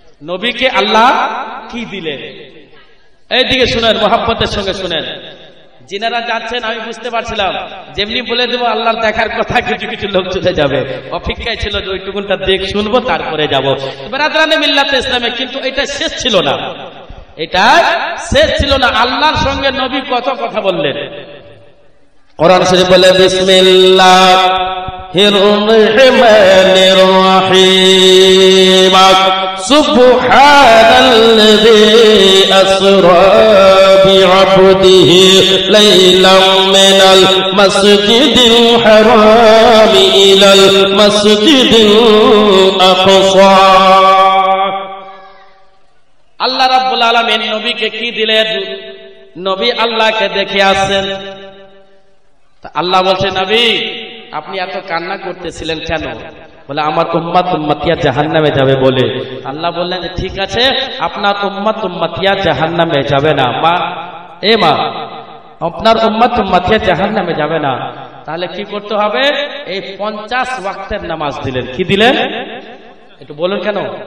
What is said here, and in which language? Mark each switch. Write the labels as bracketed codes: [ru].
[bn] নবীকে আল্লাহ কি দিলেন এইদিকে শুনেন মহব্বতের সঙ্গে শুনেন যিনারা যাচ্ছেন আমি বুঝতে পারছিলাম যেমনি বলে দেবো আল্লাহর দেখার কথা কিছু কিছু লোক চলে যাবে অপেক্ষায় ছিল যে ওইটুকুনটা দেখ শুনবো তারপরে যাবো ব্রাদারানে মিল্লাতে ইসলামে কিন্তু এটা শেষ ছিল না এটা শেষ ছিল না আল্লাহর সঙ্গে নবী কত কথা বললেন কোরআন শরীফ বলে [ar] বিসমিল্লাহ الرحمن الرحيم سبحان الذي أسرى بعبده ليلا من المسجد الحرام إلى المسجد الأقصى الله رب العالمين [bn] نبي কে কি দিলেন نبي الله কে দেখে আছেন আল্লাহ বলছে নবী আপনি এত কান্না করতেছিলেন কেন বলে আমার উম্মত উম্মতিয়া জাহান্নামে যাবে বলে আল্লাহ বললেন ঠিক আছে আপনার উম্মত উম্মতিয়া জাহান্নামে যাবে না মা এ মা আপনার উম্মত উম্মতিয়া জাহান্নামে যাবে না তাহলে কি করতে হবে এই পঞ্চাশ ওয়াক্তের নামাজ দিলেন কি দিলেন একটু বলুন কেন